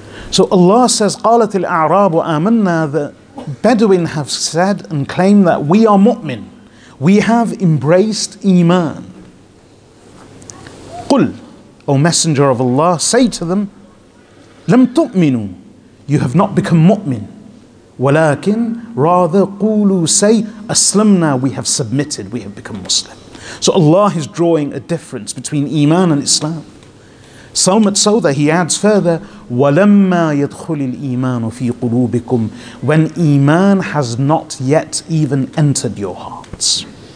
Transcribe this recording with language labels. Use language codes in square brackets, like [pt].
[en] So Allah says, [ar] قَالَتِ الْأَعْرَابُ آمَنَّا. [en] The Bedouin have said and claimed that we are mu'min. We have embraced iman. [ar] قُلْ, [en] O Messenger of Allah, say to them, [ar] لَمْ تُؤْمِنُوا. [en] You have not become mu'min. [ar] وَلَكِنْ, [en] rather, [ar] قُولُوا, [en] say, [ar] أَسْلَمْنَا. [en] We have submitted, we have become Muslim. So Allah is drawing a difference between iman and Islam. So much so that he adds further, [ar] وَلَمَّا يَدْخُلِ الْإِيمَانُ فِي قُلُوبِكُمْ. [en] When iman has not yet even entered your hearts.